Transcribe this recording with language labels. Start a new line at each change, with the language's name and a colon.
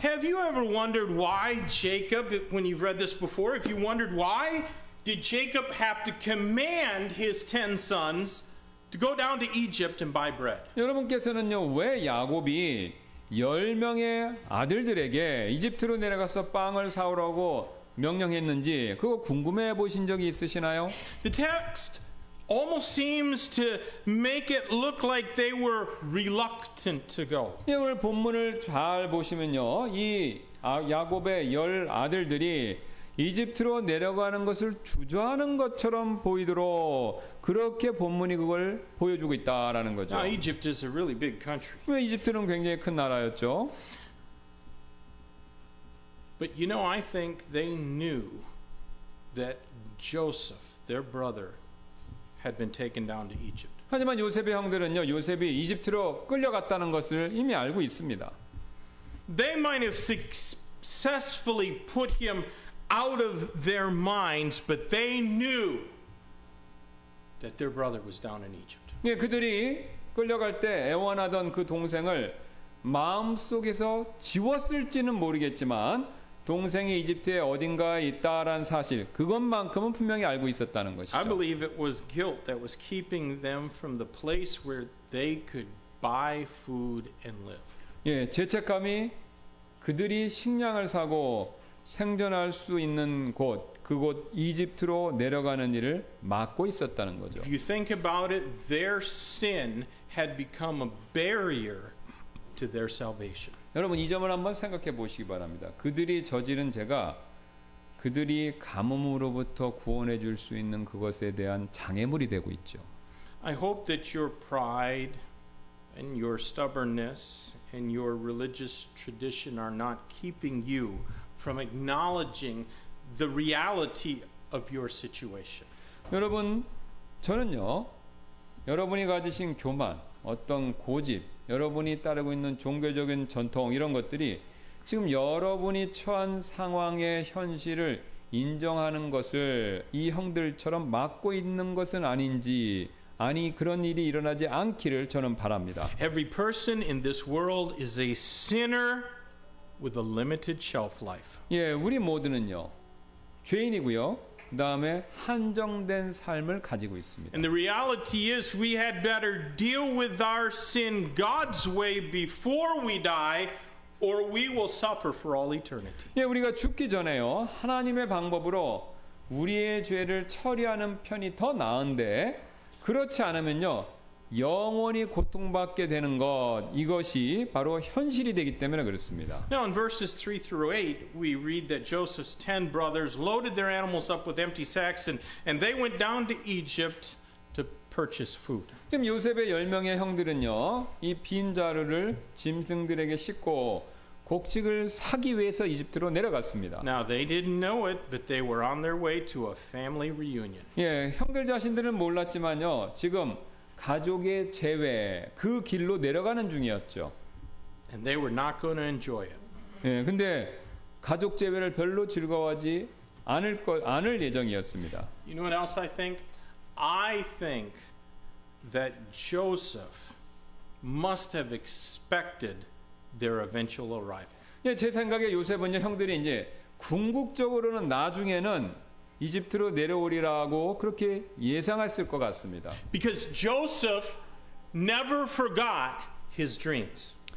English: Have you ever wondered why Jacob when you've read this before if you wondered why Did Jacob have to command his 10 sons to go down to Egypt and buy bread?
Korean: 여러분께서는요, 왜 야곱이 10명의 아들들에게 이집트로 내려가서 빵을 사오라고 명령했는지 그거 궁금해 보신 적이 있으시나요?
English: The text almost seems to make it look like they were reluctant to go.
Korean: 오늘 본문을 잘 보시면요, 이 야곱의 열 아들들이 이집트로 내려가는 것을 주저하는 것처럼 보이도록 그렇게 본문이 그걸 보여주고 있다라는 거죠.
English: Now, Egypt is a really big country.
Korean: 이집트는 굉장히 큰 나라였죠.
English: But you know, I think they knew that Joseph, their brother, had been taken down to Egypt.
Korean: 하지만 요셉의 형들은요, 요셉이 이집트로 끌려갔다는 것을 이미 알고 있습니다.
English: They might have successfully put him out of their minds but they knew that their brother was down in Egypt.
Korean: 예, 그들이 끌려갈 때 애원하던 그 동생을 마음속에서 지웠을지는 모르겠지만 동생이 이집트에 어딘가에 있다라는 사실 그것만큼은 분명히 알고 있었다는 것이죠.
English: I believe it was guilt that was keeping them from the place where they could buy food and live.
Korean: 예, 죄책감이 그들이 식량을 사고 생존할 수 있는 곳, 그곳 이집트로 내려가는 일을 막고 있었다는 거죠.
English: If you think about it, their sin had become a barrier to their salvation.
Korean: 여러분 이 점을 한번 생각해 보시기 바랍니다. 그들이 저지른 죄가 그들이 가뭄으로부터 구원해 줄 수 있는 그것에 대한 장애물이 되고 있죠.
English: I hope that your pride and your stubbornness and your religious tradition are not keeping you from acknowledging the reality of your situation.
Korean: 여러분, 저는요, 여러분이 가지신 교만, 어떤 고집, 여러분이 따르고 있는 종교적인 전통 이런 것들이 지금 여러분이 처한 상황의 현실을 인정하는 것을 이 형들처럼 막고 있는 것은 아닌지 아니 그런 일이 일어나지 않기를 저는 바랍니다.
English: Every person in this world is a sinner with a limited shelf life.
Korean: 예, 우리 모두는요. 죄인이고요. 그다음에 한정된 삶을 가지고 있습니다.
English: And the reality is we had better deal with our sin God's way before we die. Or we will suffer for all eternity.
Korean: 예, 우리가 죽기 전에요 하나님의 방법으로 우리의 죄를 처리하는 편이 더 나은데 그렇지 않으면요 영원히 고통받게 되는 것 이것이 바로 현실이 되기 때문에 그렇습니다.
English: Now in verses 3 through 8, we read that Joseph's ten brothers loaded their animals up with empty sacks and they went down to Egypt to purchase food.
Korean: 지금 요셉의 열 명의 형들은요 이 빈 자루를 짐승들에게 싣고 곡식을 사기 위해서 이집트로 내려갔습니다.
English: Now they didn't know it, but they were on their way to a family reunion.
Korean: 예, 형들 자신들은 몰랐지만요 지금 가족의 재회 그 길로 내려가는 중이었죠.
English: And they were not going to enjoy it.
Korean: 예, 근데 가족 재회를 별로 즐거워하지 않을 예정이었습니다.
English: You know what else I think? I think that Joseph must have expected their eventual arrival.
Korean: 예, 제 생각에 요셉은요 형들이 이제 궁극적으로는 나중에는 이집트로 내려오리라고 그렇게 예상했을 것 같습니다.
English: Because Joseph never forgot his dreams.